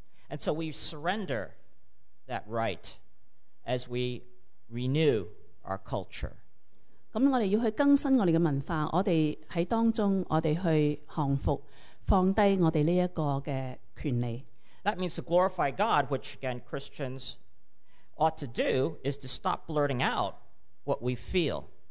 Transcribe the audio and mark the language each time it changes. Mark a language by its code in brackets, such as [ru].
[en] And so we surrender that right as we renew our culture. [yue] 咁我哋要去更新我哋嘅文化，我哋喺當中，我哋去降服。放低我哋呢一个嘅权利。 [en] That means to glorify God, which again Christians ought to do, is to stop blurting out what we feel.